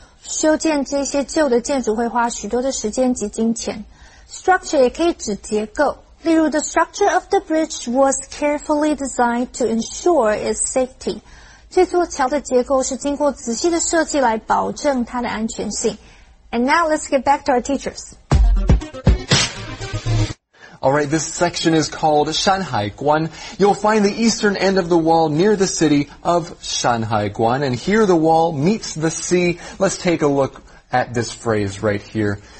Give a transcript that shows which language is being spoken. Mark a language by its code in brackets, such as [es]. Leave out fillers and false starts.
[zh] 修建这些旧的建筑会花许多的时间及金钱。 Structure 也可以指结构。例如, [en] the structure of the bridge was carefully designed to ensure its safety. [zh] 这座桥的结构是经过仔细的设计来保证它的安全性。 [en] And now let's get back to our teachers. Alright, this section is called Shanhai Guan. You'll find the eastern end of the wall near the city of Shanhai Guan. And here the wall meets the sea. Let's take a look at this phrase right here.